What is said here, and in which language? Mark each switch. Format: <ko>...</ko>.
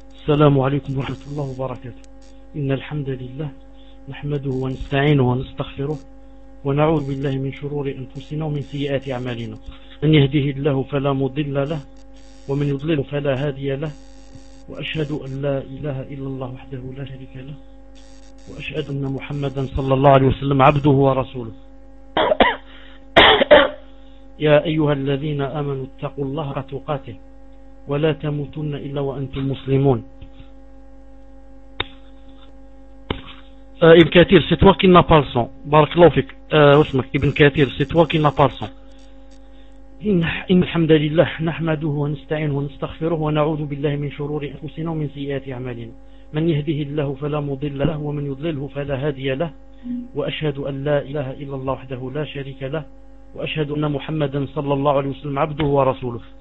<ar>السلام عليكم ورحمة الله وبركاته. إن الحمد لله نحمده ونستعينه ونستغفره ونعوذ بالله من شرور أنفسنا ومن سيئات أعمالنا، من يهده الله فلا مضل له ومن يضلل فلا هادي له، وأشهد أن لا إله إلا الله وحده لا شريك له، وأشهد أن محمدا صلى الله عليه وسلم عبده ورسوله. يا أيها الذين آمنوا اتقوا الله حق تقاته ولا تموتن إلا وأنتم مسلمون.</ar> <fr>ابن كثير c'est toi qui n'as pas le son.</fr> <ar>بارك الله فيك. اسمك</ar> <fr>ابن كثير c'est toi qui n'as pas le son.</fr> <ar>إن الحمد لله نحمده ونستعينه ونستغفره ونعوذ بالله من شرور أنفسنا ومن سيئات أعمالنا، من يهده الله فلا مضل له ومن يضلله فلا هادي له، وأشهد أن لا إله إلا الله وحده لا شريك له، وأشهد أن محمدا صلى الله عليه وسلم عبده ورسوله.</ar>